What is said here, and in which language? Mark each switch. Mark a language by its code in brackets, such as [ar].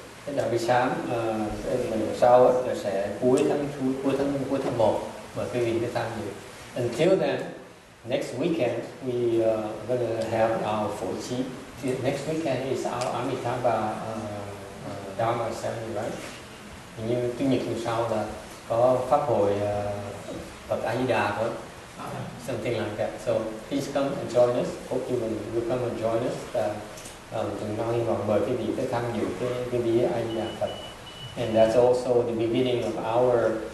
[vi] Cái Tám Bì Chán sau là sẽ cuối tháng một mà quý vị mới tham dự. [en] Until then. Next weekend, we are going to have our Phổ Chí. Next weekend is our Amitabha Dharma Assembly, right? [vi] Hình như thứ nhật tuần sau là có Pháp Hội Phật A Di Đà thôi. [en] Something like that. So please come and join us. Hope you will come and join us. [vi] Chúng ta hy vọng mời quý vị tới tham dự cái Bia A Di Đà Phật. [en] And that's also the beginning of our